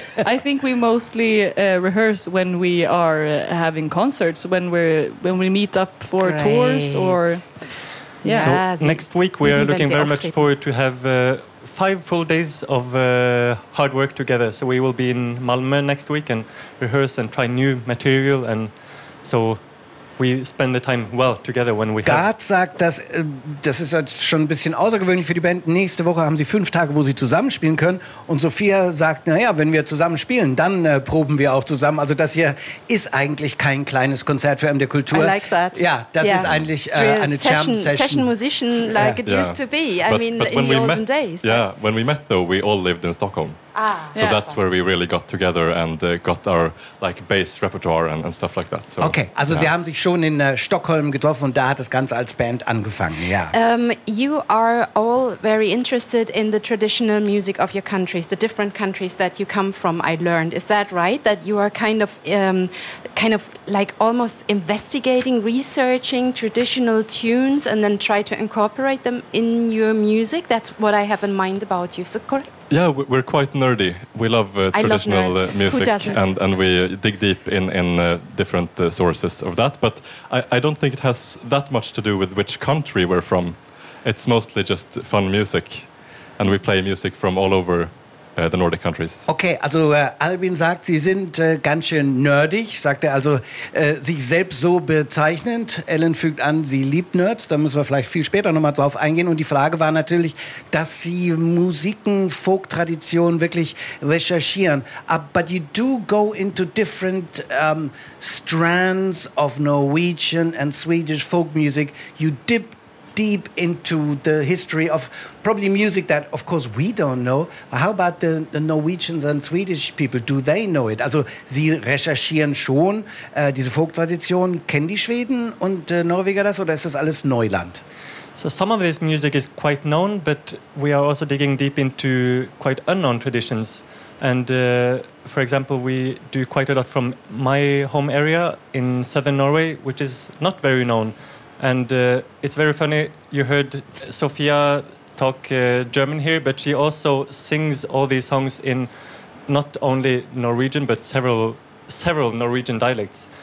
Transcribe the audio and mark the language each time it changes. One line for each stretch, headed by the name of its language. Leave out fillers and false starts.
English: I think we mostly rehearse when we are having concerts, when we meet up for Great. Tours or... Yeah. So next week we are looking very much forward to have... 5 full days of hard work together. So we will be in Malmö next week and rehearse and try new material. And so we spend the time well together when we Gard have...
German: sagt, dass, das ist jetzt schon ein bisschen außergewöhnlich für die Band. Nächste Woche haben sie 5 Tage, wo sie zusammenspielen können. Und Sophia sagt, naja, wenn wir zusammen spielen, dann proben wir auch zusammen. Also das hier ist eigentlich kein kleines Konzert für MDR Kultur.
English: I like that.
German: Ja, das ist eigentlich eine Jam-Session.
English: Session musician like it used to be. But in the olden days. Yeah, when we met though, we all lived in Stockholm. Ah, so yeah, that's where we really got together and got our like bass repertoire and stuff like that. So,
German: okay, also yeah. Sie haben sich schon in Stockholm getroffen und da hat das Ganze als Band angefangen, ja.
English: You are all very interested in the traditional music of your countries, the different countries that you come from, I learned. Is that right? That you are kind of like almost investigating, researching traditional tunes and then try to incorporate them in your music? That's what I have in mind about you, is that correct? Yeah, we're quite nerdy. We love traditional music. Who doesn't? And we dig deep in different sources of that. But I don't think it has that much to do with which country we're from. It's mostly just fun music. And we play music from all over the Nordic countries.
German: Okay, also Albin sagt, Sie sind ganz schön nerdig, sagt er, also sich selbst so bezeichnend. Ellen fügt an, sie liebt Nerds, da müssen wir vielleicht viel später nochmal drauf eingehen. Und die Frage war natürlich, dass Sie Musiken, Folk-Traditionen wirklich recherchieren.
English: But you do go into different strands of Norwegian and Swedish folk music. You dip deep into the history of probably music that, of course, we don't know. How about the Norwegians and Swedish people? Do they know it?
German: Also, sie recherchieren schon diese Folktradition. Kennen die Schweden und Norweger das, oder ist das alles Neuland?
English: So some of this music is quite known, but we are also digging deep into quite unknown traditions. And for example, we do quite a lot from my home area in southern Norway, which is not very known. And it's very funny, you heard Sofia talk German here, but she also sings all these songs in not only Norwegian, but several Norwegian dialects.